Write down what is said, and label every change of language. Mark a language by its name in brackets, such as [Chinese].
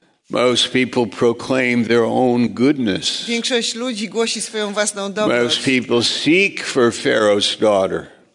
[English] Most people proclaim their own goodness. [Polish] Większość ludzi głosi swoją własną dobroć. [English] Most people seek for Pharaoh's daughter.